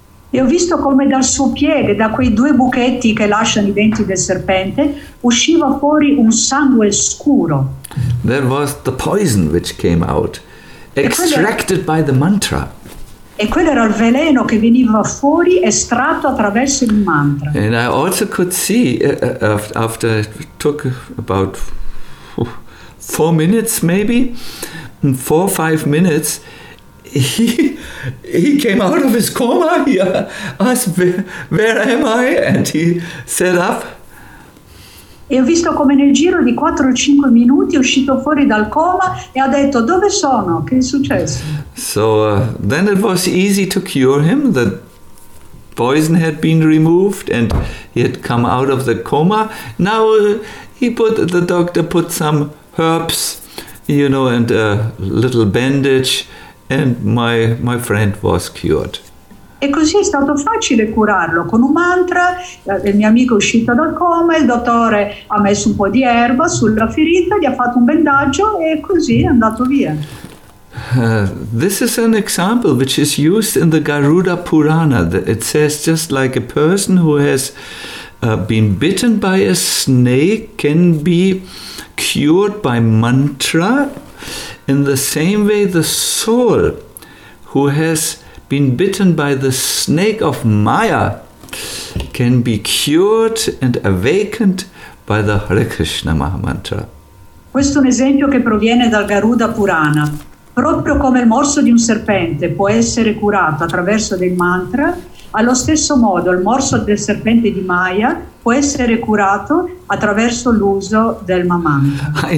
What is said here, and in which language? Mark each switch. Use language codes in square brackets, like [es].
[it] E ho visto come dal suo piede, da quei due buchetti che lasciano i denti del serpente, usciva fuori un sangue scuro. [en] There was the poison which came out, extracted by the mantra. [it] E quello era il veleno che veniva fuori, estratto attraverso il mantra. [en] And I also could see, after it took about 4 minutes maybe, 4 or 5 minutes, he came out of his coma. He asked, where am I? And he sat up. [it] E ho visto come nel giro di 4 o 5 minuti è uscito fuori dal coma e ha detto, dove sono? Che è successo? [en] So then it was easy to cure him. The poison had been removed and he had come out of the coma. Now the doctor put some herbs, you know, and a little bandage, and my friend was cured. [it] E così è stato facile curarlo con un mantra, il mio amico è uscito dal coma, il dottore ha messo un po' di erba sulla ferita, gli ha fatto un bandaggio e così è andato via. [en] This is an example which is used in the Garuda Purana. It says just like a person who has been bitten by a snake can be cured by mantra, in the same way the soul who has been bitten by the snake of Maya can be cured and awakened by the Hare Krishna Mahamantra. [it] Questo è un esempio che proviene dal Garuda Purana. Proprio come il morso di un serpente può essere curato attraverso dei mantra, allo stesso modo il morso del serpente di Maya può essere curato attraverso l'uso del Mahamantra.